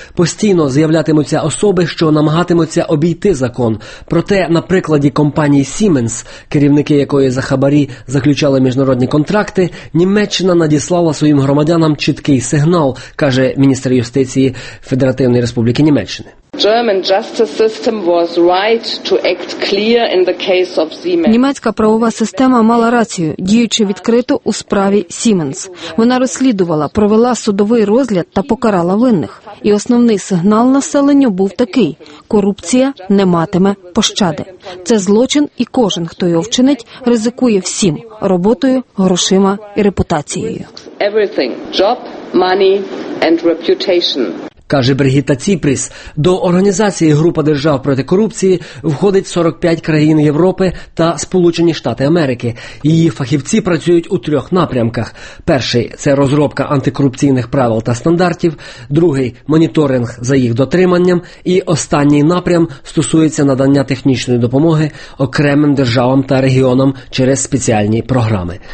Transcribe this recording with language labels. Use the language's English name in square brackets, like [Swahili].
[Ukrainian] Постійно з'являтимуться особи, що намагатимуться обійти закон. Проте, на прикладі компанії Siemens, керівники якої за хабарі заключали міжнародні контракти, Німеччина надіслала своїм громадянам чіткий сигнал, каже міністр юстиції Федеративної Республіки Німеччини. [English] German justice system was right to act clear in the case of Siemens. [Ukrainian] Німецька правова система мала рацію, діючи відкрито у справі Siemens. Вона розслідувала, провела судовий розгляд та покарала винних. І основний сигнал населенню був такий: корупція не матиме пощади. Це злочин, і кожен, хто його вчинить, ризикує всім: роботою, грошима і репутацією. [English] Everything: job, money and reputation. [Ukrainian] Каже Бригітта Ціпріс, до організації «Група держав проти корупції» входить 45 країн Європи та Сполучені Штати Америки. Її фахівці працюють у трьох напрямках. Перший – це розробка антикорупційних правил та стандартів, другий – моніторинг за їх дотриманням, і останній напрям стосується надання технічної допомоги окремим державам та регіонам через спеціальні програми.